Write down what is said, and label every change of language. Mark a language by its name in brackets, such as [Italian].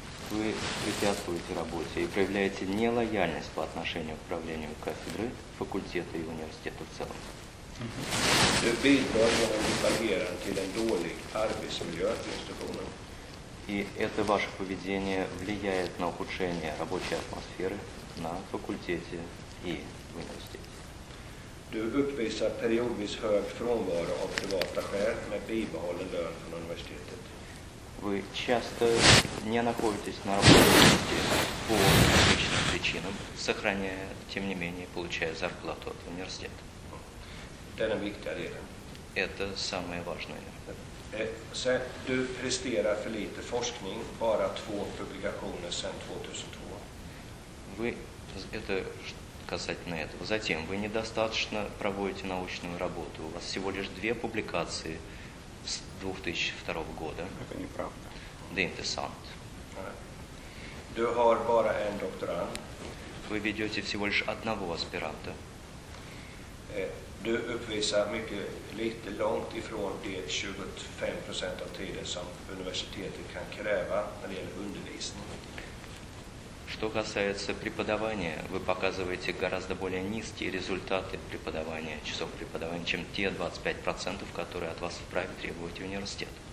[Russian] Вы препятствуете работе и проявляете нелояльность по отношению к управлению кафедры, факультета и университета в целом. [Swedish] Du bidrar genom ditt agerande till en dålig arbetsmiljö i institutionen. [Russian] И это ваше поведение влияет на ухудшение рабочей атмосферы на факультете и в университете. [Swedish] Du uppvisar periodvis hög frånvaro av privata skäl med bibehållen lön från universitetet. [Russian] Вы часто не находитесь на работе по различным причинам, сохраняя, тем не менее, получая зарплату от университета. [Swedish] Det är den viktiga delen. [Russian] Это самое важное. [Swedish] Sen, du presterar för lite forskning, bara 2 publikationer sen 2002. [Russian] Вы, это касательно этого. Затем, вы недостаточно проводите научную работу. У вас всего лишь 2 публикации с 2002 года. Это неправда. [Swedish] Det är intressant. Du har bara en doktorand. [Russian] Вы ведете всего лишь 1 аспиранта. [Swedish] Du uppvisar mycket lite långt ifrån det 25% av tiden som universitetet kan kräva när det gäller undervisning. [Russian] Что касается преподавания, вы показываете гораздо более низкие результаты преподавания, часов преподавания, чем те 25%, которые от вас вправе требовать университет.